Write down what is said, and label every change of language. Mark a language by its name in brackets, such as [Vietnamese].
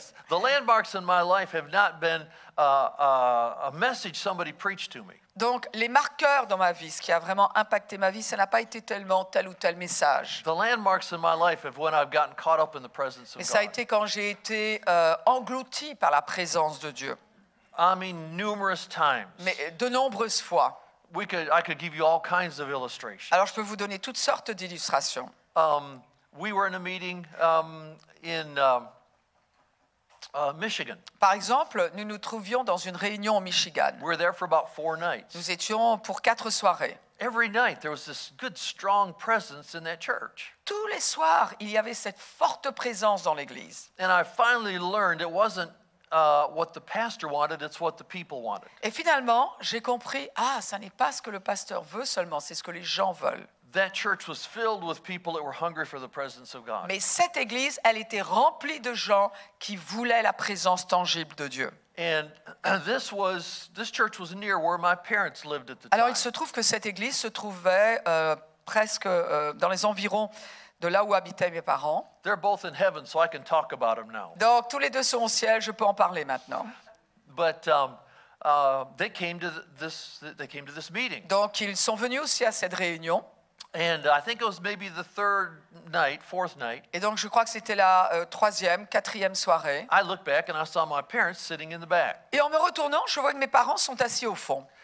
[English] The landmarks in my life have not been a message somebody preached to me. [French] Donc, les marqueurs dans ma vie, ce qui a vraiment impacté ma vie, ça n'a pas été tellement tel ou tel message. [English] The landmarks in my life have when I've gotten caught up in the presence of God. [French] Et ça a été quand j'ai été englouti par la présence de Dieu. [English] I mean, numerous times. [French] Mais de nombreuses fois. [English] I could give you all kinds of illustrations. [French] Alors, je peux vous donner toutes sortes d'illustrations. [English] We were in a meeting in Michigan. [French] Par exemple, nous nous trouvions dans une réunion au Michigan. [English] We were there for about 4 nights. [French] Nous étions pour 4 soirées. [English] Every night there was this good strong presence in that church. [French] Tous les soirs, il y avait cette forte présence dans l'église. [English] And I finally learned it wasn't what the pastor wanted, it's what the people wanted. [French] Et finalement, j'ai compris, ah, ça n'est pas ce que le pasteur veut seulement, c'est ce que les gens veulent. [English] That church was filled with people that were hungry for the presence of God. [French] Mais cette église, elle était remplie de gens qui voulaient la présence tangible de Dieu. [English] And this church was near where my parents lived at the time. [French] Alors il se trouve que cette église se trouvait presque dans les environs de là où habitaient mes parents. [English] They're both in heaven, so I can talk about them now. [French] Donc tous les deux sont au ciel, je peux en parler maintenant. [English] But they came to this meeting. [French] Donc ils sont venus aussi à cette réunion. [English] And I think it was maybe the third night, fourth night. [French] Et donc je crois que c'était la troisième, quatrième soirée. [English] I looked back and I saw my parents sitting in the back. [French] Et en me retournant, je vois que mes parents sont assis au fond.